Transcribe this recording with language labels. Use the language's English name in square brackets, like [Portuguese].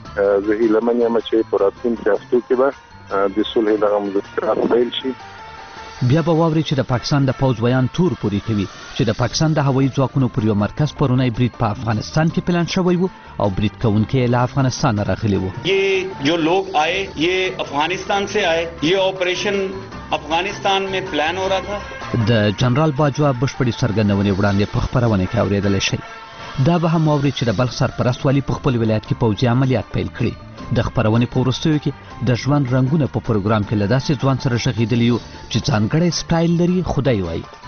[Pashto] زه هیله منم چې په راتلونکي هفته کې به د سولې لپاره مذاکرات پیل شي. بیا به واوري چې د پاکستان د پوځ ویان تور پوری کوي چې د پاکستان د هوایي ځواکونو پر یو مرکز پرونی برید په افغانستان کې پلان شوی وو او برید کوونکي له افغانستان راغلي وو. [Urdu] یہ جو لوگ آئے یہ افغانستان سے آئے، یہ آپریشن افغانستان میں پلان ہو رہا تھا. [Pashto] د جنرال باجوا بشپړی سرګندونې وړاندې په خبرونه کې اوریدل شي. دا به هم واوري چې د بلخ سرپرست والی په خپل ولایت کې پوځي عملیات پیل کړي. د خبرونه په ورستیو کې د ژوند رنگونه په پروګرام کې لداسې ځوان سره شغیدلی یو چې ځانګړی سټایل لري. خدای وایي